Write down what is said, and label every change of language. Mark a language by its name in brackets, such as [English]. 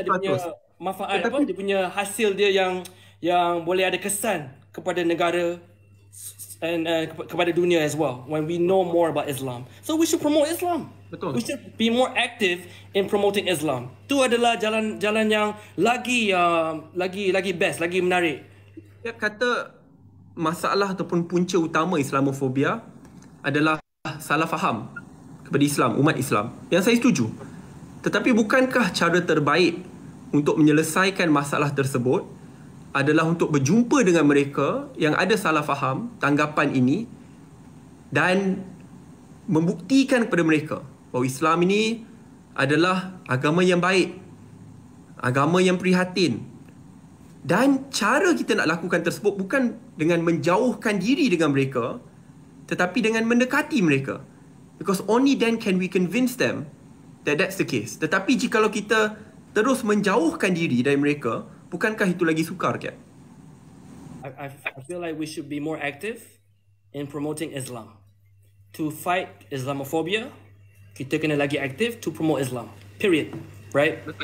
[Malay] Dia punya manfaat, tetapi, apa? Dia punya hasil dia yang yang boleh ada kesan kepada negara and kepada dunia [English] as well. When we know more about Islam, so we should promote Islam. [Malay] Betul. [English] We should be more active in promoting Islam. [Malay] Itu adalah jalan-jalan yang lagi lagi best, lagi menarik. Dia kata masalah ataupun punca utama Islamofobia adalah salah faham kepada Islam, umat Islam. Yang saya setuju. Tetapi bukankah cara terbaik untuk menyelesaikan masalah tersebut adalah untuk berjumpa dengan mereka yang ada salah faham tanggapan ini dan membuktikan kepada mereka bahawa Islam ini adalah agama yang baik, agama yang prihatin. Dan cara kita nak lakukan tersebut bukan dengan menjauhkan diri dengan mereka, tetapi dengan mendekati mereka. [English] Because only then can we convince them that that's the case. [Malay] Tetapi jika kita terus menjauhkan diri dari mereka, bukankah itu lagi sukar, Kat? [English] I feel like we should be more active in promoting Islam. To fight Islamophobia, [Malay] kita kena lagi aktif [English] to promote Islam. Period. Right?